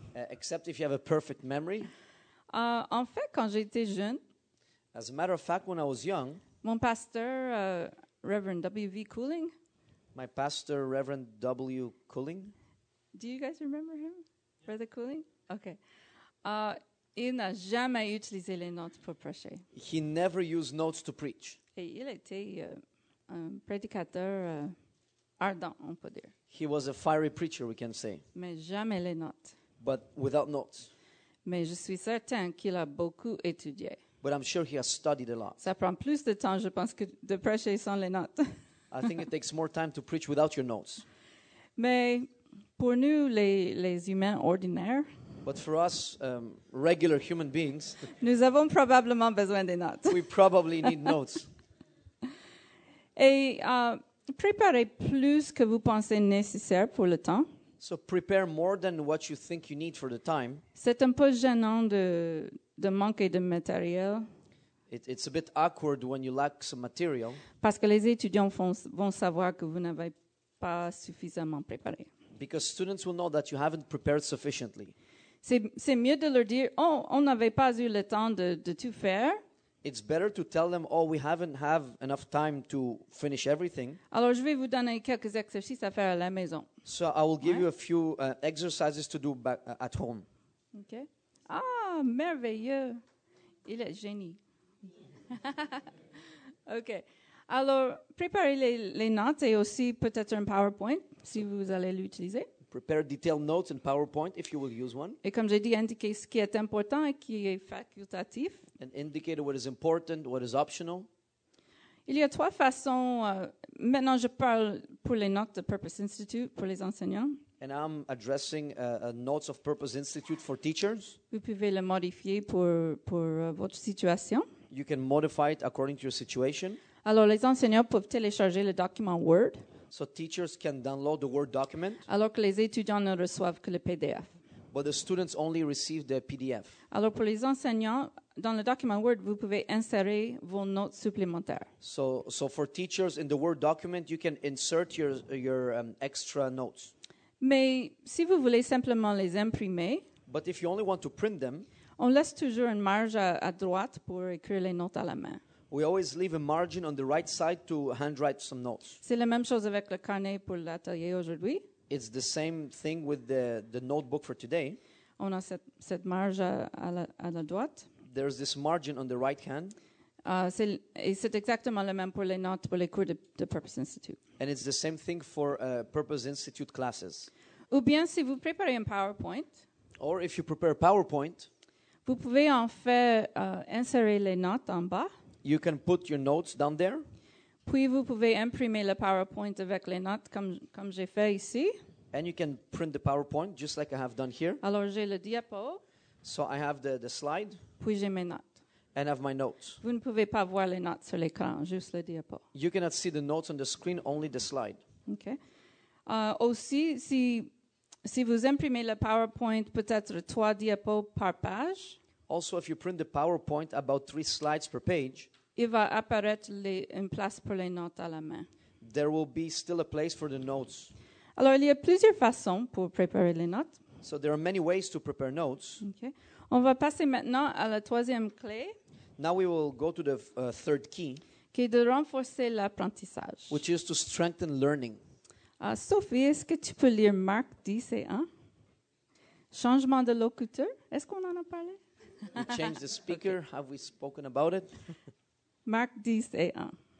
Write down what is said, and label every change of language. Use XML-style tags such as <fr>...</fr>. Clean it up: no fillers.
<en>Except if you have a perfect memory.</en> <fr>En fait, quand j'étais jeune,</fr> <en>as a matter of fact, when I was young,</en> <fr>mon pasteur, Reverend W.V. Cooling.</fr> <en>My pastor, Reverend W. Cooling. Do you guys remember him? Yeah. Brother Cooling? Okay.</en> <fr>Il n'a jamais utilisé les notes pour prêcher.</fr> <en>He never used notes to preach.</en> <fr>Et il était un prédicateur ardent, on peut dire.</fr> <en>He was a fiery preacher, we can say.</en> <fr>Mais jamais les notes.</fr> <en>But without notes.</en> <fr>Mais je suis certain qu'il a beaucoup étudié.</fr> <en>But I'm sure he has studied a lot.</en> <fr>Ça prend plus de temps, je pense, que de prêcher sans les notes.</fr> <en>I think it takes more time to preach without your notes.</en> <fr>Mais pour nous, les humains ordinaires,</fr> <en>but for us, regular human beings,</en> <fr>nous avons probablement besoin des notes.</fr> <en>We probably need notes.</en> <fr>Et préparez plus que vous pensez nécessaire pour le temps.</fr> <en>So prepare more than what you think you need for the time.</en> <fr>C'est un peu gênant de manquer de matériel.</fr> <en>It's a bit awkward when you lack some material.</en> <fr>Parce que les étudiants vont savoir que vous n'avez pas suffisamment préparé.</fr> <en>Because students will know that you haven't prepared sufficiently.</en> <fr>C'est mieux de leur dire, oh, on n'avait pas eu le temps de tout faire.</fr> <en>It's better to tell them, oh, we haven't have enough time to finish everything.</en> <fr>Alors, je vais vous donner quelques exercices à faire à la maison.</fr> <en>So I will give you a few exercises to do back, at home.</en> <fr>Okay. Ah, merveilleux. Il est génie.</fr> <en>Okay.</en> <fr>Alors, préparez les notes et aussi peut-être un PowerPoint, si vous allez l'utiliser.</fr> <en>Prepare detailed notes in PowerPoint if you will use one.</en> <fr>Et comme j'ai dit, indiquez ce qui est important et qui est facultatif.</fr> <en>And indicate what is important, what is optional.</en> <fr>Il y a trois façons. Maintenant, je parle pour les notes de Purpose Institute pour les enseignants.</fr> <en>And I'm addressing notes of Purpose Institute for teachers.</en> <fr>Vous pouvez le modifier pour votre situation.</fr> <en>You can modify it according to your situation.</en> <fr>Alors, les enseignants peuvent télécharger le document Word.</fr> <en>So teachers can download the Word document.</en> <fr>Alors que les étudiants ne reçoivent que le PDF.</fr> <en>But the students only receive the PDF.</en> <fr>Alors pour les enseignants, dans le document Word, vous pouvez insérer vos notes supplémentaires.</fr> <en>So for teachers in the Word document, you can insert your extra notes.</en> <fr>Mais si vous voulez simplement les imprimer,</fr> <en>but if you only want to print them,</en> <fr>on laisse toujours une marge à droite pour écrire les notes à la main.</fr> <en>We always leave a margin on the right side to handwrite some notes.</en> <fr>C'est la même chose avec le carnet pour l'atelier aujourd'hui.</fr> <en>It's the same thing with the notebook for today.</en> <fr>On a cette marge à la droite.</fr> <en>There's this margin on the right hand.</en> <fr>C'est exactement le même pour les notes pour les cours de Purpose Institute.</fr> <en>And it's the same thing for Purpose Institute classes.</en> <fr>Ou bien si vous préparez un PowerPoint.</fr> <en>Or if you prepare a PowerPoint.</en> <fr>Vous pouvez en fait insérer les notes en bas.</fr> <en>You can put your notes down there.</en> <fr>Puis vous pouvez imprimer le PowerPoint avec les notes comme j'ai fait ici.</fr> <en>And you can print the PowerPoint just like I have done here.</en> <fr>Alors j'ai le diapo.</fr> <en>So I have the slide.</en> <fr>Puis j'ai mes notes.</fr> <en>And I have my notes.</en> <fr>Vous ne pouvez pas voir les notes sur l'écran, juste le diapo.</fr> <en>You cannot see the notes on the screen, only the slide. Okay.</en> <fr>Aussi, si vous imprimez le PowerPoint, peut-être trois diapos par page.</fr> <en>Also, if you print the PowerPoint about three slides per page,</en> <fr>il va apparaître une place pour les notes à la main.</fr> <en>There will be still a place for the notes.</en> <fr>Alors, il y a plusieurs façons pour préparer les notes.</fr> <en>So there are many ways to prepare notes. Okay.</en> <fr>On va passer maintenant à la troisième clé.</fr> <en>Now we will go to the third key.</en> <fr>Qui est de renforcer l'apprentissage.</fr> <en>Which is to strengthen learning.</en> <fr>Sophie, est-ce que tu peux lire Marc 10 et 1? Changement de locuteur, est-ce qu'on en a parlé?</fr> <en>We changed the speaker. Okay. Have we spoken about it?</en> <fr>Marc 10 et 1.</fr>